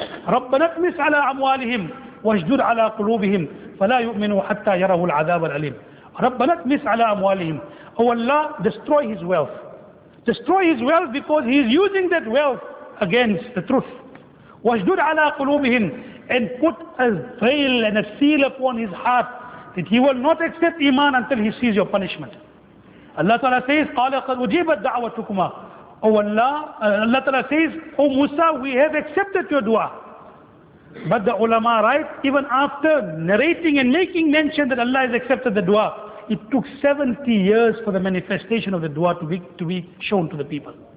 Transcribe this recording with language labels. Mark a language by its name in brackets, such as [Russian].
[Arabic] رَبَّنَا اطْمِسْ عَلَىٰ أَمْوَالِهِمْ وَاجْدُدْ عَلَىٰ قُلُوبِهِمْ فَلَا يُؤْمِنُوا حَتَّى يَرَهُ الْعَذَابَ الْعَلِيمِ رَبَّنَا اطْمِسْ عَلَىٰ أَمْوَالِهِمْ. [English] Oh Allah, destroy his wealth. Destroy his wealth because he is using that wealth against the truth. [Arabic] وَاجْدُدْ عَلَىٰ قُلُوبِهِمْ. [English] And put a veil and a seal upon his heart that he will not accept Iman until he sees your punishment. Allah Ta'ala says, [Arabic] قَالَ قَدْ أُجِيبَتْ دَعْوَتُكُمَا. [English] Oh Allah, Allah Ta'ala says, oh Musa, we have accepted your dua. But the ulama write, even after narrating and making mention that Allah has accepted the dua, it took 70 years for the manifestation of the dua to be shown to the people.